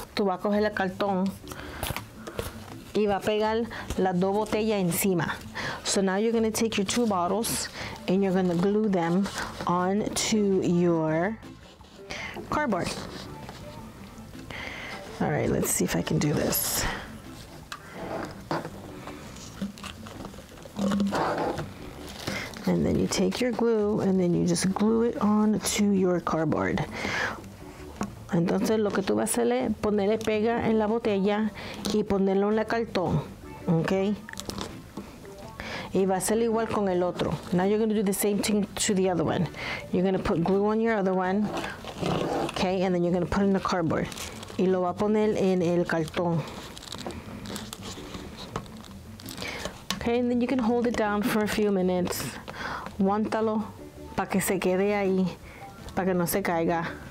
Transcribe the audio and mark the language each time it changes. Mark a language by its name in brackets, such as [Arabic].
[Spanish] Tú vas a coger el cartón y va a pegar las dos botellas encima. [English] So now you're gonna take your two bottles and you're gonna glue them onto your cardboard. All right, let's see if I can do this. And then you take your glue and then you just glue it on to your cardboard. [Spanish] Entonces lo que tú vas a hacer es ponerle pega en la botella y ponerlo en el cartón, okay? Y va a ser igual con el otro. [English] Now you're gonna do the same thing to the other one. You're gonna put glue on your other one, okay? And then you're gonna put it in the cardboard. Y lo va a poner en el cartón. Okay, and then you can hold it down for a few minutes. [Spanish] Aguántalo para que se quede ahí, para que no se caiga.